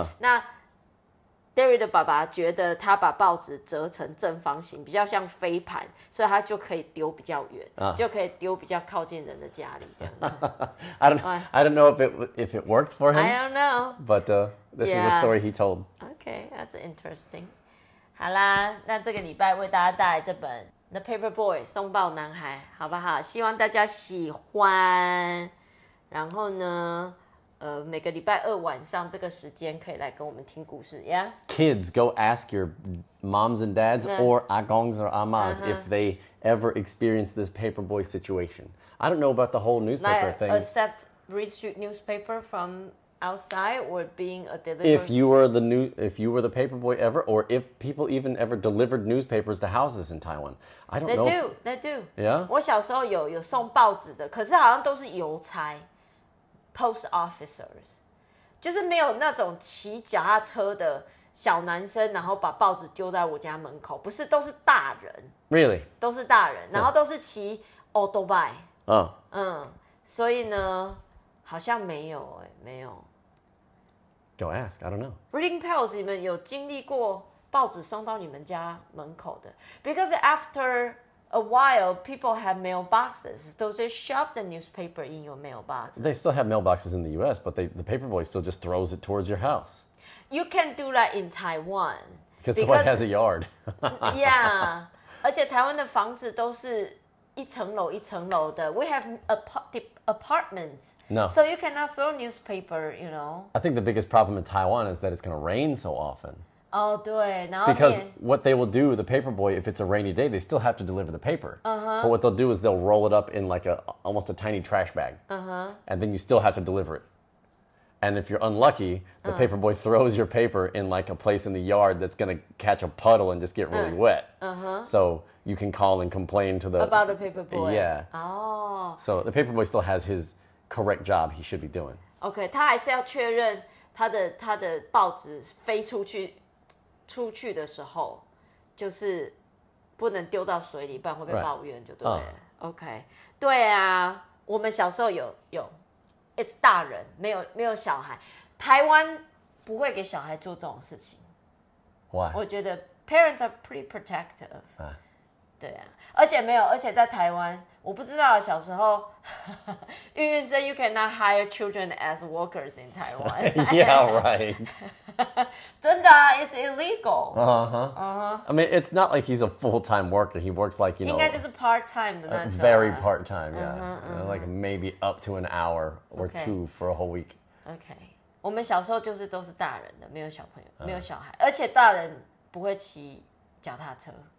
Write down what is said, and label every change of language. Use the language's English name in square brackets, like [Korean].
[Chinese] 那Derry 的爸爸觉得他把报纸折成正方形比较像飞盘，所以他就可以丢比较远，就可以丢比较靠近人的家里。 [English] I don't know if it worked for him. I don't know. But this is a story he told. Okay, that's interesting. [Chinese] 好啦，那这个礼拜为大家带来这本 The Paper Boy 送报男孩，好不好？希望大家喜欢。然后呢？每个礼拜二晚上这个时间可以来跟我们听故事 [English] Kids, go ask your moms and dads or agongs or amas if they ever experience this paperboy situation. I don't know about the whole newspaper thing. Accept read newspaper from outside or being a delivery. If you were the new, if you were the paperboy ever, or if people even ever delivered newspapers to houses in Taiwan, I don't know. They do. Yeah. [Chinese] 我小时候有送报纸的，可是好像都是邮差 ， [English] post officers， [Chinese] 就是没有那种骑脚踏车的小男生，然后把报纸丢在我家门口，不是，都是大人。 [English] Really? [Chinese] 都是大人，然后都是骑 autobike。所以呢，好像没有耶，没有。 [English] Go ask, I don't know. [Chinese] Reading Pals, 你们有经历过报纸送到你们家门口的？ [English] Because after a while, people have mailboxes. So they shove the newspaper in your mailbox. They still have mailboxes in the US, but the paperboy still just throws it towards your house. You can do that in Taiwan. Because Taiwan has a yard. Yeah. 而且台湾的房子都是一层楼一层楼的。 We have apartments. No. So you cannot throw newspaper, you know. I think the biggest problem in Taiwan is that it's going to rain so often. [Chinese] Oh, 对。 [English] Because what they will do, the paper boy, if it's a rainy day, they still have to deliver the paper. Uh-huh. But what they'll do is they'll roll it up in like a, almost a tiny trash bag. Uh-huh. And then you still have to deliver it. And if you're unlucky, the paper boy throws your paper in like a place in the yard that's going to catch a puddle and just get really wet. Uh-huh. So you can call and complain to the... About the paper boy. Yeah. Oh. So the paper boy still has his correct job he should be doing. [Chinese] Okay, 他还是要确认他的报纸飞出去的时候就是不能丢到水里，不然会被抱怨就对了。 [English] Right. Okay. [Chinese] 对啊，我们小时候有。 [English] It's [Chinese] 大人，没有小孩。台湾不会给小孩做这种事情。 [English] Why? [Chinese] 我觉得 [English] parents are pretty protective. [Chinese] 对啊，而且没有，而且在台湾，我不知道小时候，因为说 [English] you cannot hire children as workers in Taiwan. Yeah, right. [Chinese] 真的啊， [English] it's illegal. Uh-huh. Uh-huh. I mean, it's not like he's a full-time worker. He works like, you know. [Chinese] 应该就是 part-time 的那种。 [English] Very part-time, yeah. Uh-huh, uh-huh. Like maybe up to an hour or okay. two for a whole week. Okay. [Chinese] 我们小时候就是都是大人的，没有小朋友，没有小孩，而且大人不会骑脚踏车。